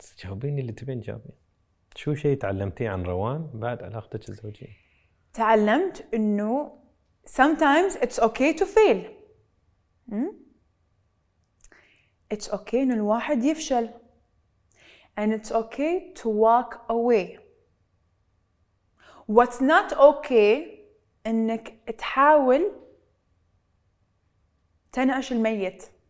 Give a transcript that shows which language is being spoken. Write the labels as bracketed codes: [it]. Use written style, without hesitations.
[ar] جاوبيني اللي تبين جاوبي. شو شيء تعلمتي عن روان بعد علاقتك الزوجية؟ تعلمت إنه [en] sometimes it's okay to fail. It's okay [ar] إنه الواحد يفشل. [en] And it's okay to walk away. What's not okay [ar] إنك تحاول تنعش الميت.